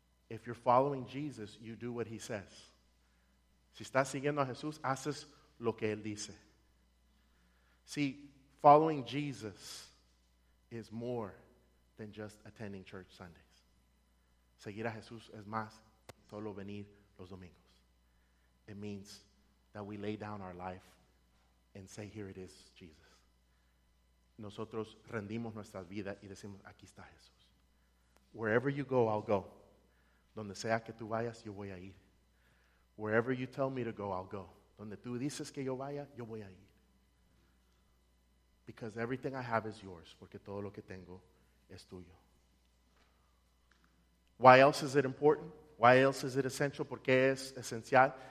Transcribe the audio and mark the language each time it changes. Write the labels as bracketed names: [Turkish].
[English] If you're following Jesus, you do what he says. [Spanish] Si estás siguiendo a Jesús, haces lo que él dice. [English] See, following Jesus is more than just attending church Sundays. [Spanish] Seguir a Jesús es más solo venir los domingos. [English] It means that we lay down our life and say, here it is, Jesus. [Spanish] nosotros rendimos nuestras vidas y decimos, aquí está Jesús. [English] Wherever you go, I'll go. [Spanish] Donde sea que tú vayas, yo voy a ir. [English] Wherever you tell me to go, I'll go. [Spanish] Donde tú dices que yo vaya, yo voy a ir. [English] Because everything I have is yours. [Spanish] Porque todo lo que tengo es tuyo. [English] Why else is it important? Why else is it essential? [Spanish] ¿Por qué es esencial?